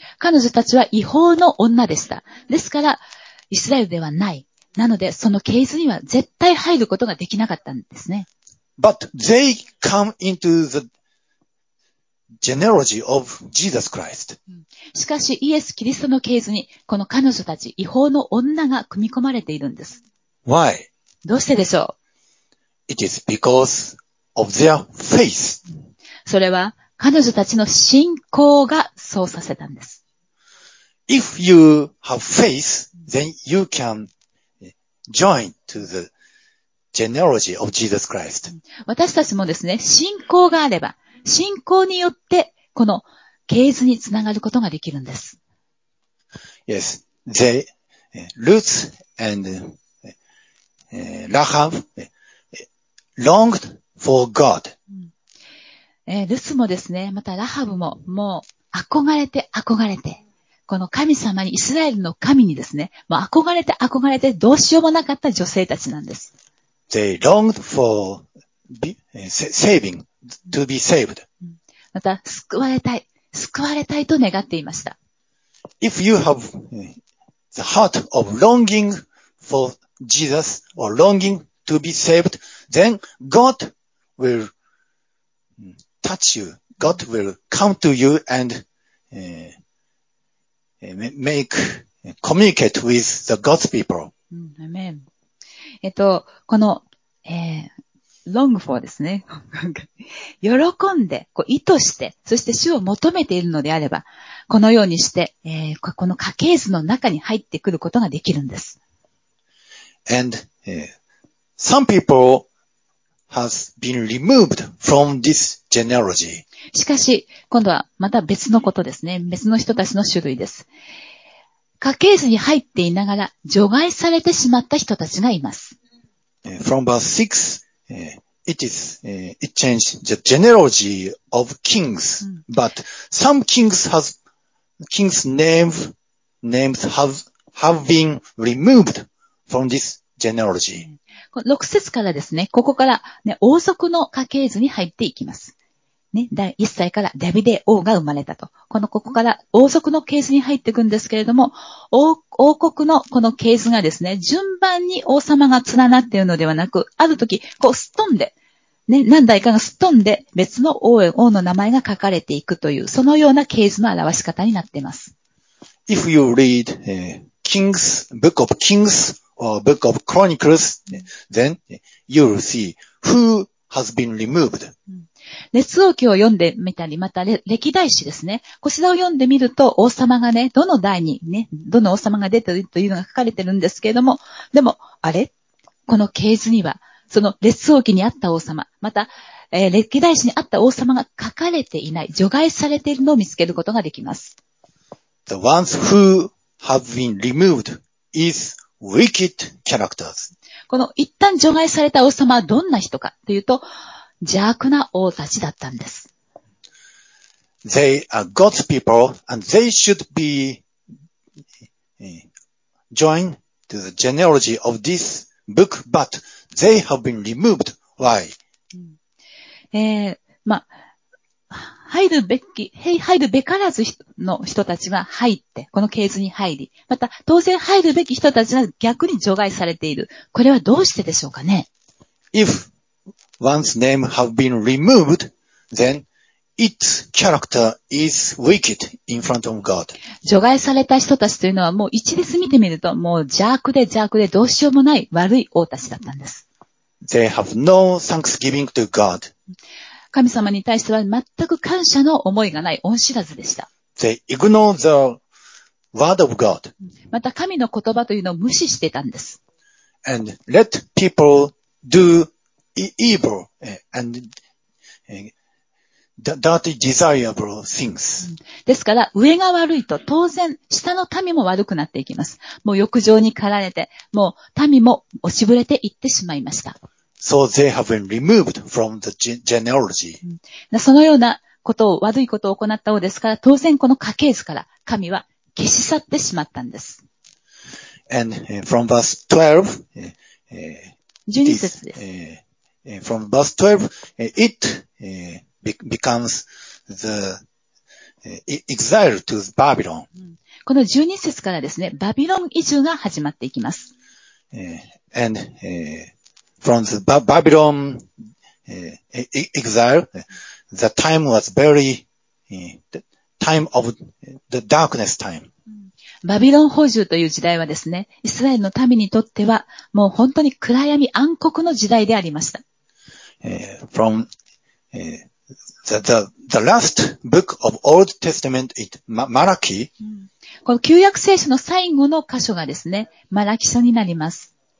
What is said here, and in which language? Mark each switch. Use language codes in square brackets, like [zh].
[ja] 彼女たちは異邦の女でした。ですから、イスラエルではない。なので、その系図には絶対入ることができなかったんですね。 [en] But they come into the genealogy of Jesus Christ. [ja] しかし、イエス・キリストの系図に、この彼女たち、異邦の女が組み込まれているんです。 [en] Why? [ja] どうしてでしょう? [en] It is because of their faith. [ja] それは彼女たちの信仰がそうさせたんです。 [en] If you have faith, then you can join to the genealogy of Jesus Christ. [ja] 私たちもですね、信仰があれば、信仰によってこの系図につながることができるんです。 [en] Yes, the Ruth andRahab longed for God. [ja] ルスもですね、またラハブももう憧れて憧れて、この神様に、イスラエルの神にですね、もう憧れて憧れてどうしようもなかった女性たちなんです。 [en] They longed for saving, to be saved. [ja] また救われたい、救われたいと願っていました。 [en] If you have the heart of longing for Jesus or longing to be saved, then God will touch you. God will come to you and make communicate with the God's people. [ja] Amen. この、long for ですね。喜んで、こう意図して、そして主を求めているのであれば、このようにして、この家系図の中に入ってくることができるんです。 [en] And some people has been removed from this genealogy. [ja] しかし、今度はまた別のことですね。別の人たちの種類です。家系図に入っていながら除外されてしまった人たちがいます。 [en] From verse 6, it changed the genealogy of kings, but some kings' names have been removed from this. [ja] 6節からですね、ここから、ね、王族の家系図に入っていきます。ね、第1歳からダビデ王が生まれたと。このここから王族の系図に入っていくんですけれども、王国のこの系図がですね、順番に王様が連なっているのではなく、ある時、こうすっ飛んで、ね、何代かがすっ飛んで別の王の名前が書かれていくという、そのような系図の表し方になっています。 [en] If you read, Kings, Book of Kings,or Book of Chronicles, then you will see who has been removed. [ja] 列王記を読んでみたり、また歴代史ですね。こちらを読んでみると、王様がね、どの代にね、どの王様が出てるというのが書かれてるんですけれども、でも、あれ? この系図には、その列王記にあった王様、また、歴代史にあった王様が書かれていない、除外されているのを見つけることができます。 [en] The ones who have been removed is Wicked characters. [ja] この一旦除外された王様はどんな人かというと、邪悪な王たちだったんです。 [en] They are God's people and they should be joined to the genealogy of this book, but they have been removed. Why? [ja] 入るべからず人の人たちが入って、この系図に入り、また当然入るべき人たちが逆に除外されている。これはどうしてでしょうかね? [en] If one's name have been removed, then its character is wicked in front of God. [ja] 除外された人たちというのはもう一列見てみると、もう邪悪で邪悪でどうしようもない悪い王たちだったんです。 [en] They have no thanksgiving to God. [ja] 神様に対しては全く感謝の思いがない恩知らずでした。 [en] They ignore the word of God. [ja] また神の言葉というのを無視してたんです。 [en] and let people do evil and dirty desirable things. [ja] ですから上が悪いと当然下の民も悪くなっていきます。もう欲情に駆られて、もう民も押しぶれていってしまいました。 [en] So they have been removed from the genealogy. [ja] そのようなことを、悪いことを行った王ですから、当然この家系図から神は消し去ってしまったんです。 [en] And from verse 12, [ja] 12節です。 [en] From verse 12, it becomes the exile to Babylon. [ja] この12節からですね、バビロン移住が始まっていきます。 [en] And from the Babylon exile, the time was very the time of the darkness time. [ja] バビロン捕囚という時代はですね、イスラエルの民にとってはもう本当に暗闇暗黒の時代でありました。 [en] From the last book of Old Testament, Malachi. [ja] この旧約聖書の最後の箇所がですね、マラキ書になります。